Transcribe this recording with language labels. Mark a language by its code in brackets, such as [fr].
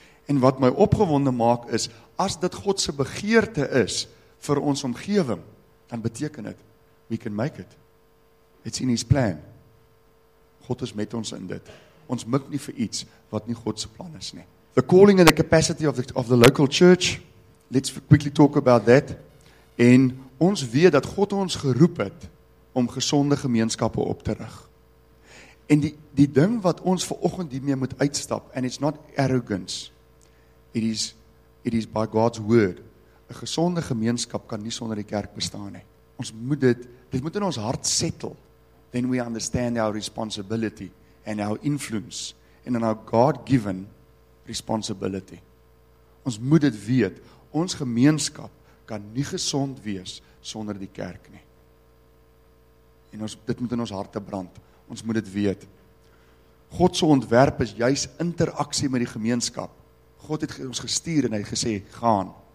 [af] En wat my opgewonde maak is, as dit God se begeerte is vir ons omgewing, dan beteken dit, [en] we can make it. It's in his plan. [af] God is met ons in dit. Ons mik nie vir iets wat nie God se plan is nie. [en] The calling and the capacity of the local church, let's quickly talk about that. [af] En ons weet dat God ons geroep het om gesonde gemeenskappe op te rig. En die ding wat ons vanoggend hiermee moet uitstap, [en] and it's not arrogance, it is by God's word, [af] 'n gesonde gemeenskap kan nie sonder die kerk bestaan nie. Ons moet dit moet in ons hart settle, [en] then we understand our responsibility and our influence and in our God-given responsibility. [af] Ons moet dit weet, ons gemeenskap kan nie gesond wees sonder die kerk nie. En ons dit moet in ons harte brand. Ons moet dit weet. God se ontwerp is juis interaksie met die gemeenskap. God het ons gestuur en hy gesê, gaan.